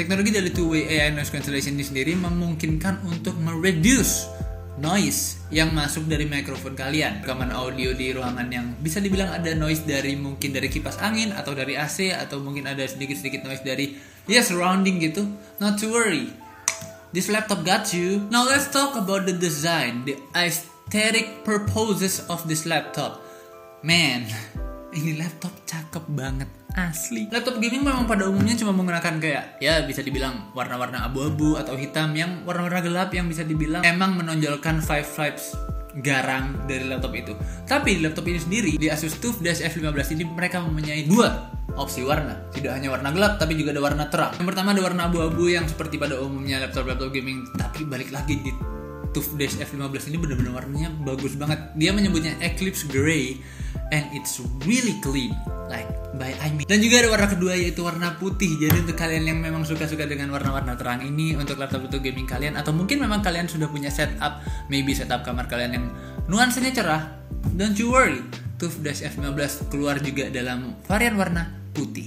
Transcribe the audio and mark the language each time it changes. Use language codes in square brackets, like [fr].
[id] Teknologi dari two way AI noise cancellation ini sendiri memungkinkan untuk mereduce noise yang masuk dari mikrofon kalian. Rekaman audio di ruangan yang bisa dibilang ada noise dari mungkin dari kipas angin atau dari AC, atau mungkin ada sedikit-sedikit noise dari ya surrounding gitu. [en] Not to worry, this laptop got you. Now let's talk about the design, the aesthetic purposes of this laptop. Man, [id] ini laptop cakep banget, asli. Laptop gaming memang pada umumnya cuma menggunakan kayak, ya bisa dibilang warna-warna abu-abu atau hitam, yang warna-warna gelap yang bisa dibilang emang menonjolkan five vibes garang dari laptop itu. Tapi di laptop ini sendiri, di Asus TUF-F15 ini, mereka mempunyai dua opsi warna. Tidak hanya warna gelap, tapi juga ada warna terang. Yang pertama ada warna abu-abu yang seperti pada umumnya laptop-laptop gaming, tapi balik lagi di TUF-F15 ini benar-benar warnanya bagus banget. Dia menyebutnya [en] Eclipse Grey, and it's really clean, like by I mean. [id] Dan juga ada warna kedua yaitu warna putih. Jadi untuk kalian yang memang suka-suka dengan warna-warna terang ini untuk laptop-laptop gaming kalian, atau mungkin memang kalian sudah punya setup, maybe setup kamar kalian yang nuansanya cerah, [en] don't you worry, [id] TUF-F15 keluar juga dalam varian warna putih.